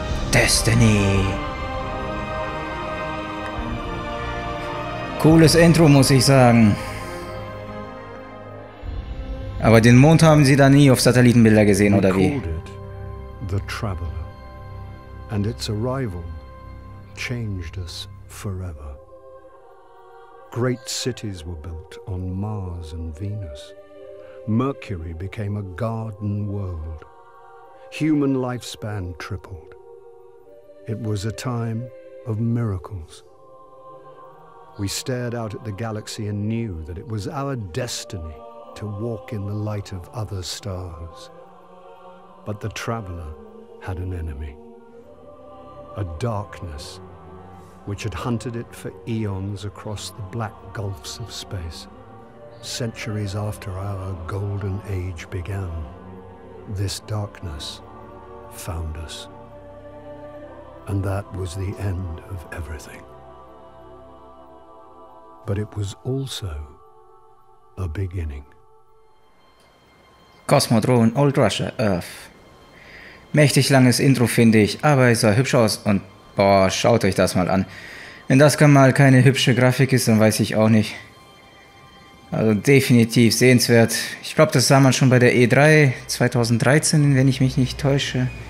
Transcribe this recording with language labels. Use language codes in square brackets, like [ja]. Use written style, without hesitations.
[en] Destiny. [de] Cooles Intro, muss ich sagen. Aber den Mond haben sie da nie auf Satellitenbilder gesehen, oder wie? [en] The Traveler. And its arrival changed us forever. Great cities were built on Mars and Venus. Mercury became a garden world. Human lifespan tripled. It was a time of miracles. We stared out at the galaxy and knew that it was our destiny to walk in the light of other stars. But the Traveler had an enemy. A darkness which had hunted it for eons across the black gulfs of space. Centuries after our golden age began, this darkness found us. And that was the end of everything. But it was also a beginning. Cosmodrome, Old Russia, Earth. [de] Mächtig langes Intro, finde ich, aber es sah hübsch aus und boah, schaut euch das mal an. Wenn das gar mal keine hübsche Grafik ist, dann weiß ich auch nicht. Also definitiv sehenswert. Ich glaube, das sah man schon bei der E3 2013, wenn ich mich nicht täusche.